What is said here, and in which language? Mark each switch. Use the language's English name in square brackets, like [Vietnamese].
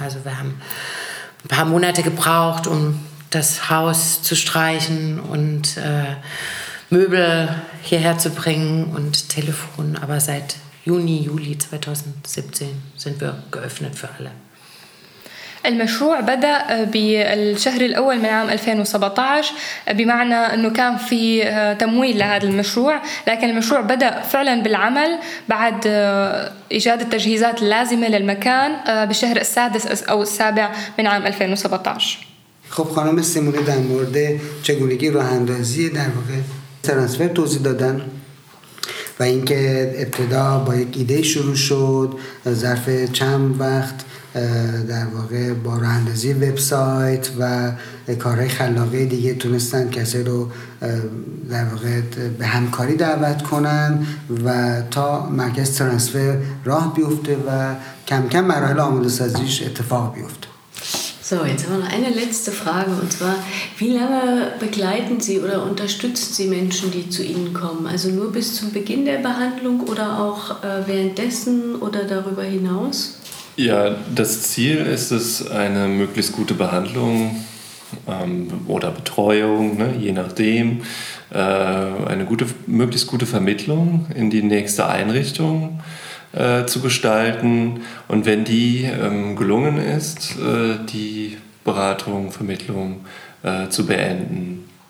[German] Also wir haben ein paar Monate gebraucht, um das Haus zu streichen und Möbel hierher zu bringen und Telefon. Aber seit Juni, Juli 2017 sind wir geöffnet für alle. [Arabic] المشروع بدأ بالشهر الأول من عام 2017 بمعنى أنه كان في تمويل لهذا المشروع لكن المشروع بدأ فعلا بالعمل بعد إيجاد التجهيزات اللازمة للمكان بالشهر السادس أو السابع من عام 2017 [Persian] خب خانم سیمونه در مورد چگونگی راه اندازی در واقع ترانسفر توضیح دادن و اینکه ابتدا با یک ایده شروع شد ظرف چند وقت در واقع با راه اندازی وبسایت و کارهای خلاقه دیگه تونستن کسی رو در واقع به همکاری دعوت کنن و تا مرکز ترانسفر راه بیفته و کم کم مراحل آماده سازیش اتفاق بیفته [German] So, jetzt haben wir noch eine letzte Frage und zwar, wie lange begleiten Sie oder unterstützen Sie Menschen, die zu Ihnen kommen? Also nur bis zum Beginn der Behandlung oder auch währenddessen oder darüber hinaus? Ja, das Ziel ist es, eine möglichst gute Behandlung oder Betreuung, ne, je nachdem, eine gute, möglichst gute Vermittlung in die nächste Einrichtung zu gestalten und wenn die gelungen ist, die Beratung, Vermittlung zu beenden.